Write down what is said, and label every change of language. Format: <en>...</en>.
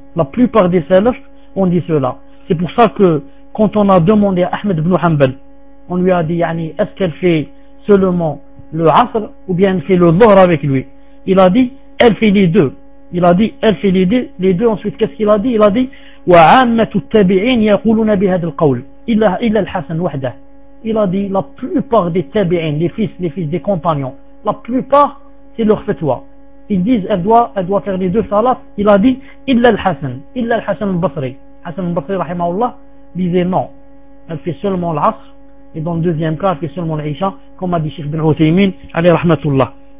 <fr>La plupart des salafs ont dit cela. C'est pour ça que quand on a demandé à Ahmed ibn Hanbal, on lui a dit, yani, est-ce qu'elle fait seulement le Asr ou bien elle fait le Dhuhr avec lui? Il a dit, elle fait les deux. Il a dit, elle fait les deux. Ensuite, qu'est-ce qu'il a dit? Il a dit,</fr> <ar>وَعَامَّةُ التَّبِعِينَ يَقُولُونَ بِهَدَ الْقَوْلِ إِلَّا الْحَسَنُ وَحْدَهُ.</ar> <fr>Il a dit, la plupart des tabi'in, les fils des compagnons, la plupart, c'est leur fatwa. Ils disent, elle doit faire les deux salats. Il a dit, illa al-Hassan al-Basri. Hassan al-Basri, rahimahullah, disait non. Elle fait seulement l'Asr. Et dans le deuxième cas, elle fait seulement l'Isha, comme a dit Cheikh bin Uthaymin, alayhi rahmatullah.</fr>